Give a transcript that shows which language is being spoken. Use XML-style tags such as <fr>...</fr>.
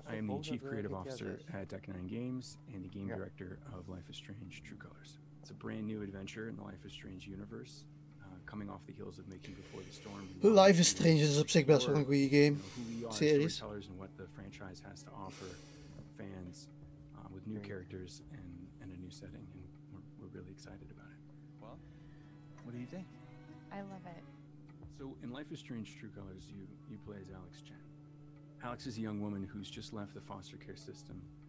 <en>I am the Chief Creative Officer at Deck 9 Games and the Game Director of Life is Strange True Colors. It's a brand new adventure in the Life is Strange universe, coming off the heels of making Before the Storm.</en> <nl>Life is Strange is op zich best wel een goede game.</nl> <en>Series. And what the franchise has to offer fans with new characters and a new setting. And we're really excited about it. Well, what do you think? I love it. So in Life is Strange True Colors, you play as Alex Chen. Alex is a young woman who's just left the foster care system.</en>